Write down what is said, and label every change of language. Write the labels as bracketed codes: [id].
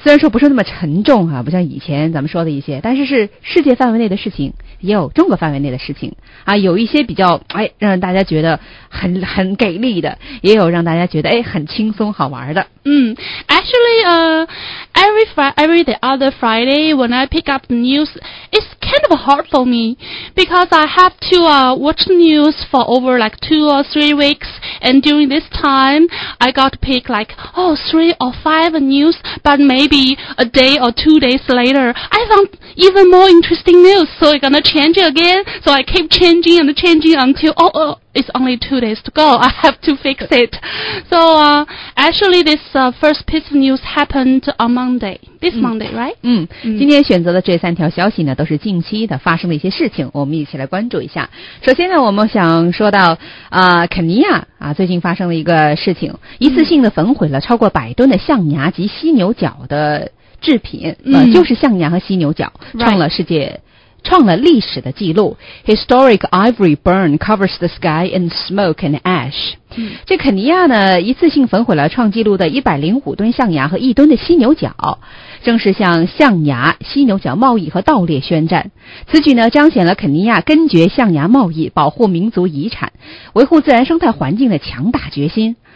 [zh] 虽然说不是那么沉重啊，不像以前咱们说的一些，但是是世界范围内的事情，也有中国范围内的事情啊，有一些比较让大家觉得很给力的，也有让大家觉得很轻松好玩的。 [en] Actually, every the other Friday when I pick up the news, it's kind of hard for me because I have to watch the news for over like 2 or 3 weeks. And during this time, I got to pick like 3 or 5 news. But maybe a day or 2 days later, I found even more interesting news. So I'm gonna change it again. So I keep changing and changing until it's only 2 days to go. I have to fix it. So actually, this first piece of news happened on Monday. This Monday, right? [zh] 今天选择的这三条消息呢，都是近期的发生的一些事情，我们一起来关注一下。首先呢，我们想说到肯尼亚最近发生了一个事情，一次性的焚毁了超过100吨的象牙及犀牛角的制品，就是象牙和犀牛角，创了历史的记录。 [en] Historic ivory burn covers the sky in smoke and ash. [zh] 这肯尼亚呢，一次性焚毁了创纪录的105吨象牙和1吨的犀牛角，正式向象牙、犀牛角贸易和盗猎宣战。此举呢，彰显了肯尼亚根绝象牙贸易、保护民族遗产、维护自然生态环境的强大决心。